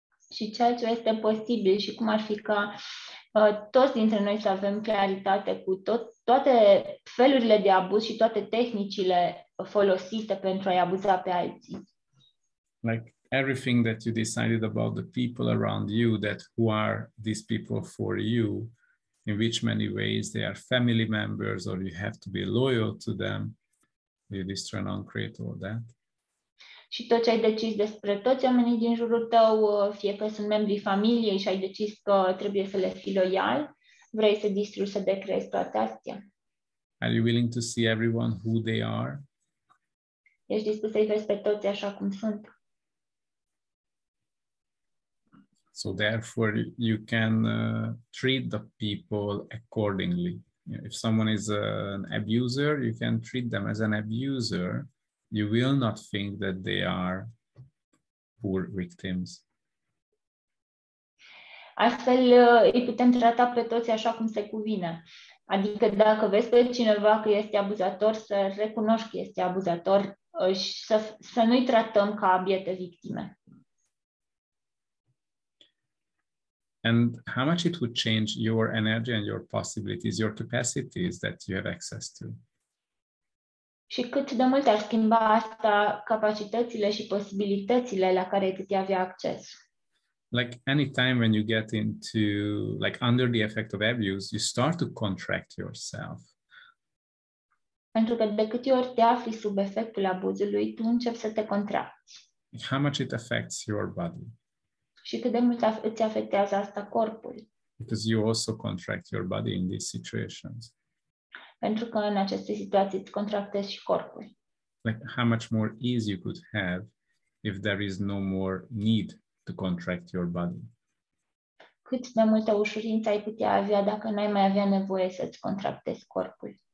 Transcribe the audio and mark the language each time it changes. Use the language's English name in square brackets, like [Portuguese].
[Romanian] Și ceea ce este posibil și cum ar fi ca toți dintre noi să avem claritate cu toate felurile de abuz și toate tehnicile folosite pentru a-i abuza pe alții. [English] Like everything that you decided about the people around you, that who are these people for you, in which many ways they are family members or you have to be loyal to them, you destroy and uncreate all that. [Romanian] Și tot ce ai decis despre toți oamenii din jurul tău, fie că sunt membrii familiei și ai decis că trebuie să le fii loial, vrei să distrugi, să decrezi toate astea. [English] Are you willing to see everyone who they are? [Romanian] Ești dispus să-i vezi pe toți așa cum sunt. [English] So therefore you can treat the people accordingly. If someone is an abuser, you can treat them as an abuser. You will not think that they are poor victims. [Romanian] Astfel îi putem trata pe toți așa cum se cuvine. Adică dacă vezi pe cineva că este abuzator, să recunoști că este abuzator și să nu-i tratăm ca abiete victime. [English] And how much it would change your energy and your possibilities, your capacities that you have access to? [Romanian] Și cât de mult ar schimba asta capacitățile și posibilitățile la care îți avea acces. [English] Like any time when you get into, like under the effect of abuse, you start to contract yourself. [Romanian] Pentru că de câte ori te afli sub efectul abuzului, tu începi să te contracți. [English] How much it affects your body. [Romanian] Și cât de mult îți afectează asta corpul. [English] Because you also contract your body in these situations. [Romanian] Pentru că în aceste situații îți contractezi și corpul. [English] Like how much more ease you could have if there is no more need to contract your body. [Romanian] Cât de multă ușurință ai putea avea dacă n-ai mai avea nevoie să îți contractezi corpul.